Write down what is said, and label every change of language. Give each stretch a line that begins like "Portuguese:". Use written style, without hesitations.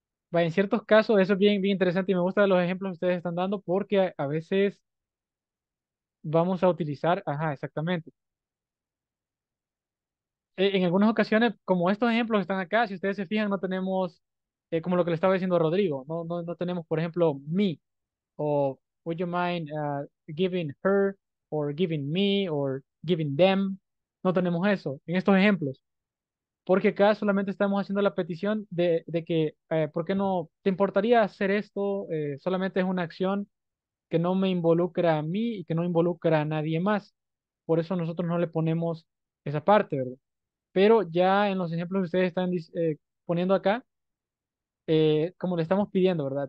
Spanish: Bueno, en ciertos casos, eso es bien, bien interesante y me gusta los ejemplos que ustedes están dando porque a veces vamos a utilizar, ajá, exactamente. En algunas ocasiones, como estos ejemplos que están acá, si ustedes se fijan, no tenemos, como lo que le estaba diciendo a Rodrigo, no tenemos, por ejemplo, me.
English: O, would you mind giving her, or giving me, or giving them?
Spanish: No tenemos eso en estos ejemplos. Porque acá solamente estamos haciendo la petición de que, ¿por qué no te importaría hacer esto? Solamente es una acción que no me involucra a mí y que no involucra a nadie más. Por eso nosotros no le ponemos esa parte, ¿verdad? Pero ya en los ejemplos que ustedes están poniendo acá, como le estamos pidiendo, ¿verdad?